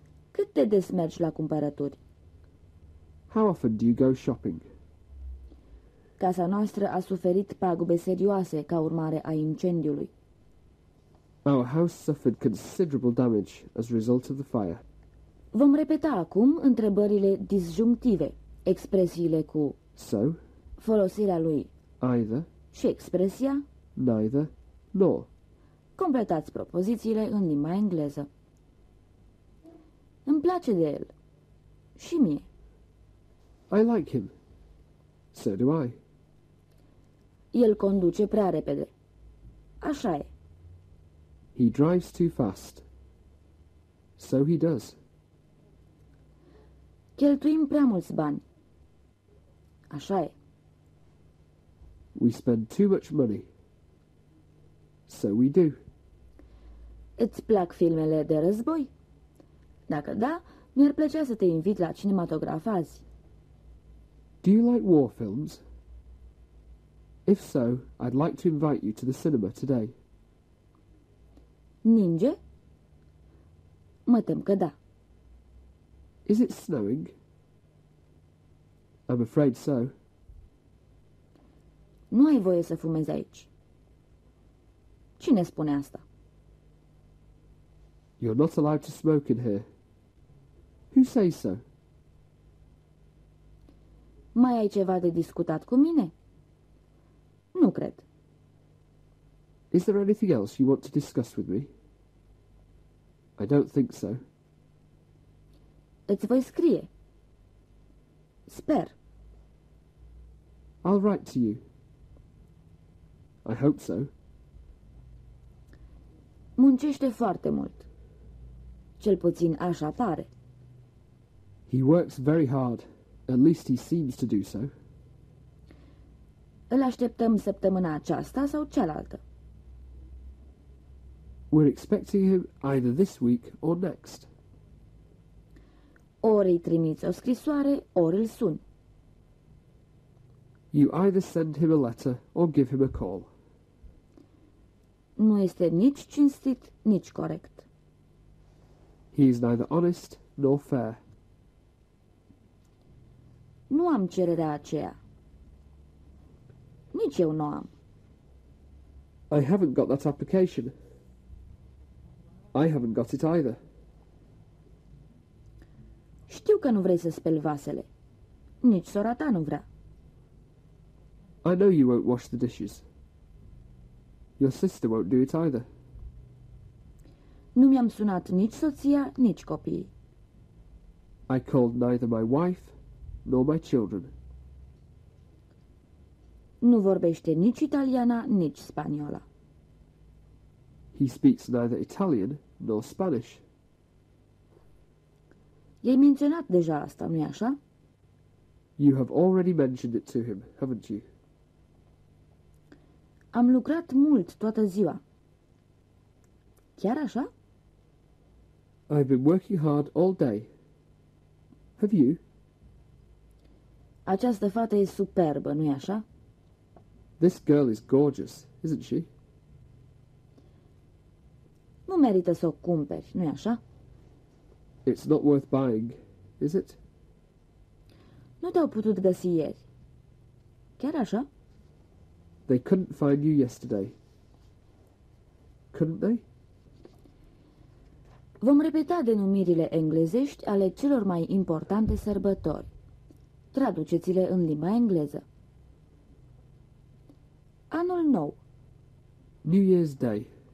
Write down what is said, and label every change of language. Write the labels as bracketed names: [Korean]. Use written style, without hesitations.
[Romanian] Cât de des mergi la cumpărături? [English] How often do you go shopping? [Romanian] Casa noastră a suferit pagube serioase ca urmare a incendiului. [English] Our house suffered considerable damage as a result of the fire. [Romanian] Vom repeta acum întrebările disjunctive, expresiile cu [English] so, [Romanian] folosirea lui [English] either [Romanian] și expresia [English] neither nor. [Romanian] Completați propozițiile în limba engleză. Îmi place de el. Și mie. [English] I like him. So do I. [Romanian] El conduce prea repede. Așa e. [English] He drives too fast. So he does. [Romanian] Cheltuim prea mulți bani. Așa e. [English] We spend too much money. So we do. [Romanian] Îți plac filmele de război? Dacă da, mi-ar plăcea să te invit la cinematograf azi. [English] Do you like war films? If so, I'd like to invite you to the cinema today. [Romanian] Ninge? Mă tem că da. [English] Is it snowing? I'm afraid so. [Romanian] Nu ai voie să fumezi aici. Cine spune asta? [English] You're not allowed to smoke in here. Who says so? [Romanian] Mai ai ceva de discutat cu mine? Nu cred. [English] Is there anything else you want to discuss with me? I don't think so. [Romanian] Îți voi scrie. Sper. [English] I'll write to you. I hope so. [Romanian] Muncește foarte mult. Cel puțin așa pare. [English] He works very hard. At least he seems to do so. [Romanian] Îl așteptăm săptămâna aceasta sau cealaltă? [English] We're expecting him either this week or next. [Romanian] Ori îi trimiți o scrisoare, ori îl suni. [English] You either send him a letter or give him a call. [Romanian] Nu este nici cinstit, nici corect. [English] He is neither honest nor fair. [Romanian] Nu am cererea aceea. Nici eu nu am. [English] I haven't got that application. I haven't got it either. [Romanian] Știu că nu vrei să speli vasele. Nici sora ta nu vrea. [English] I know you won't wash the dishes. Your sister won't do it either. [Romanian] Nu mi-am sunat nici soția, nici copiii. [English] I called neither my wife nor my children. [Romanian] Nu vorbește nici italiana, nici spaniola. [English] He speaks neither Italian nor Spanish. [Romanian] I-ai menționat deja asta, nu-i așa? [English] You have already mentioned it to him, haven't you? [Romanian] Am lucrat mult toată ziua. Chiar așa? [English] I've been working hard all day. Have you? [Romanian] Această fată e superbă, nu-i așa? [English] This girl is gorgeous, isn't she? [Romanian] Nu merită să o cumperi, nu-i așa? [English] It's not worth buying, is it? [Romanian] Nu te-au putut găsi ieri. Chiar așa? [English] They couldn't find you yesterday. Couldn't they? [Romanian] Vom repeta denumirile englezești ale celor mai importante sărbători. Traduceți-le în limba engleză. Anul nou. [English] New Year's Day.